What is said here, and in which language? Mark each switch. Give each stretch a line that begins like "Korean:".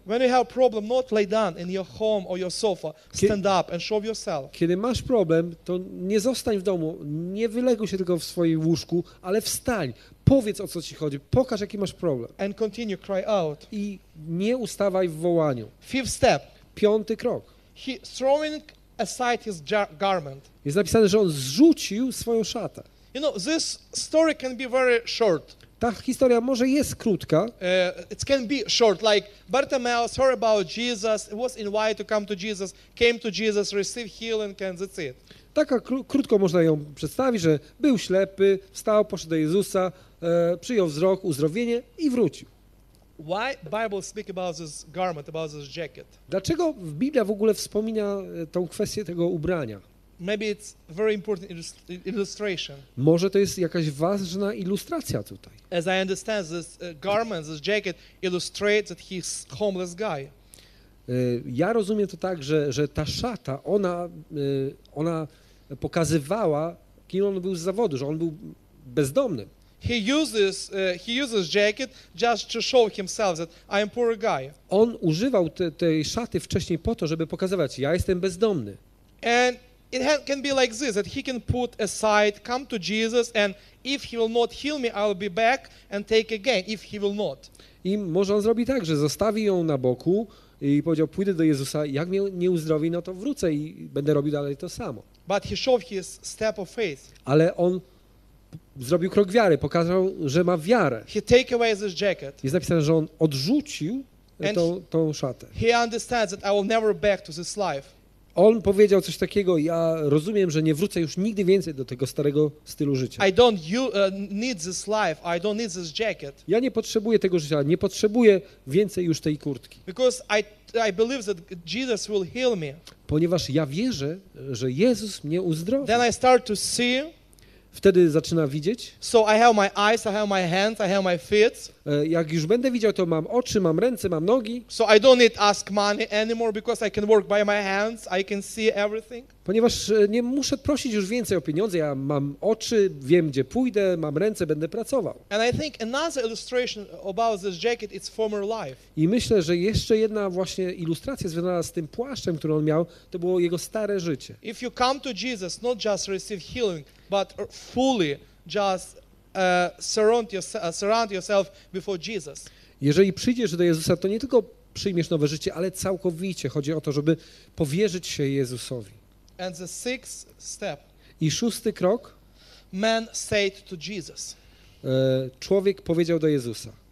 English: When you have problem, not lay down in your home or your sofa. Stand up and show yourself.
Polish: Kiedy masz problem, to nie zostań w domu, nie wyleguj się tylko w swojej łóżku, ale wstań, powiedz, o co ci chodzi, pokaż, jaki masz problem.
English: And continue cry out.
Polish: I nie ustawaj w wołaniu.
English: Fifth step.
Polish: Piąty krok.
English: He throwing aside his garment.
Polish: Jest napisane, że on zrzucił swoją szatę.
English: You know, this story can be very short.
Polish: Ta historia może jest krótka.
English: It can be short, like Bartimaeus heard about Jesus, was invited to come to Jesus, came to Jesus, received healing, and that's it.
Polish: Taka krótko można ją przedstawić, że był ślepy, wstał, poszedł do Jezusa, przyjął wzrok, uzdrowienie i wrócił.
English: Why Bible speak about this garment, about this jacket?
Polish: Dlaczego Biblia w ogóle wspomina tą kwestię tego ubrania?
English: Maybe it's very important illustration.
Polish: Może to jest jakaś ważna ilustracja tutaj.
English: As I understand, this garment, this jacket illustrates that he's homeless guy.
Polish: Ja rozumiem to tak, że ta szata, ona pokazywała, kim on był z zawodu, że on był bezdomny.
English: He uses jacket just to show himself that I am poor guy.
Polish: On używał tej szaty wcześniej po to, żeby pokazywać, ja jestem bezdomny.
English: And it can be like this, that he can put aside, come to Jesus, and if he will not heal me, I'll be back and take again, if he will not.
Polish: I może on zrobi tak, że zostawi ją na boku i powiedział, pójdę do Jezusa, jak mnie nie uzdrowi, no to wrócę i będę robił dalej to samo.
English: But he showed his step of faith.
Polish: Ale on zrobił krok wiary, pokazał, że ma wiarę.
English: He take away his jacket.
Polish: Jest napisane, że on odrzucił tą szatę.
English: He understands that I will never back to this life.
Polish: On powiedział coś takiego, ja rozumiem, że nie wrócę już nigdy więcej do tego starego stylu życia.
English: I don't need this life, I don't need this jacket.
Polish: Ja nie potrzebuję tego życia, nie potrzebuję więcej już tej kurtki.
English: Because I believe that Jesus will heal me.
Polish: Ponieważ ja wierzę, że Jezus mnie uzdrowi.
English: Then I start to see.
Polish: Wtedy zaczyna widzieć.
English: So I have my eyes, I have my hands, I have my feet.
Polish: Jak już będę widział, to mam oczy, mam ręce, mam nogi.
English: So I don't need ask money anymore because I can work by my hands, I can see everything.
Polish: Ponieważ nie muszę prosić już więcej o pieniądze, ja mam oczy, wiem gdzie pójdę, mam ręce, będę pracował.
English: And I think another illustration about this jacket is former life.
Polish: I myślę, że jeszcze jedna właśnie ilustracja związana z tym płaszczem, który on miał, to było jego stare życie.
English: If you come to Jesus, not just receive healing, but fully just surround yourself before Jesus.
Polish: Jeżeli przyjdziesz do Jezusa, to nie tylko przyjmiesz nowe życie, ale całkowicie. Chodzi o to, żeby powierzyć się Jezusowi.
English: And the sixth step.
Polish: I szósty krok.
English: Man said to Jesus.
Polish: Człowiek powiedział do Jezusa.